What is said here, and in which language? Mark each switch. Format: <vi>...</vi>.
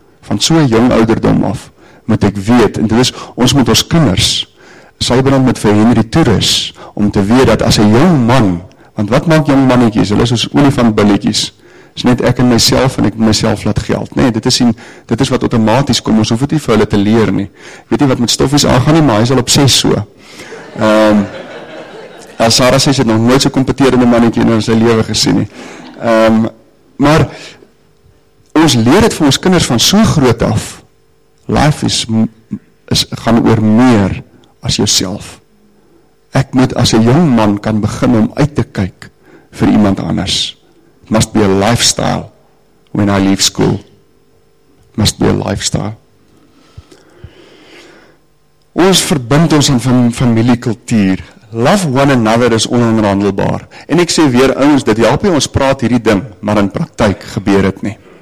<af>Van so 'n jong ouderdom af, moet ek weet, en dit is, ons moet ons kinders, sy benoem met vir Henry Toeris, om te weet dat as 'n jong man, want wat maak jong mannetjies, hulle is ons olifantbilletjies, is net ek en myself, en ek myself laat geld. Nee, dit is wat automatisch kom, ons hoef het nie vir hulle te leer nie. Weet nie wat met stoffies aangaan nie, maar hy is al op 6 so. As Sarah sê, sy het nog nooit so kompeterende mannetjie in sy lewe gesien nie. Maar, ons leer het vir ons kinders van so groot af, life is gaan oor meer as jouself. Ek moet as 'n jong man kan begin om uit te kyk vir iemand anders.</af> <en>It must be a lifestyle when I leave school. It must be a lifestyle.</en> <af>Ons verbind ons in familiekultuur.</af> <en>Love one another</en> <af>is onherhandelbaar. En ek sê weer ouens, dit help nie ons praat hierdie ding, maar in praktyk gebeur dit nie.</af>